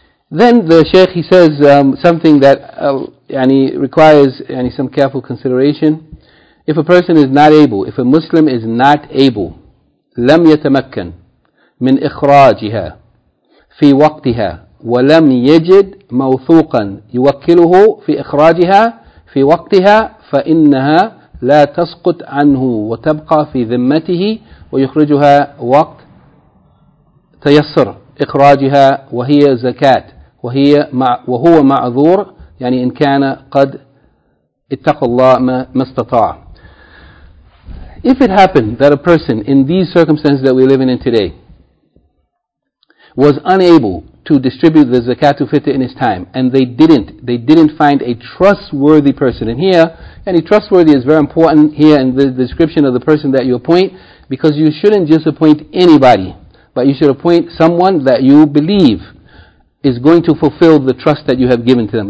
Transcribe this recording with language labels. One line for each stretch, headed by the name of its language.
English: Then the Shaykh, he says something that requires some careful consideration. If a person is not able,
Arabic: if a Muslim is not able, لم يتمكن من إخراجها في وقتها ولم يجد موثوقا يوكله في إخراجها في وقتها فإنها لا تسقط عنه وتبقى في ذمته ويخرجها وقت تيسر إخراجها وهي زكاة. وهو معذور يعني إن كان قد اتق الله ما استطاع.
English: If it happened that a person in these circumstances that we're living in today was unable to distribute the zakatul fitr in his time, and they didn't find a trustworthy person, and here, and trustworthy is very important here in the description of the person that you appoint, because you shouldn't just appoint anybody, but you should appoint someone that you believe is going to fulfill the trust that you have given to them.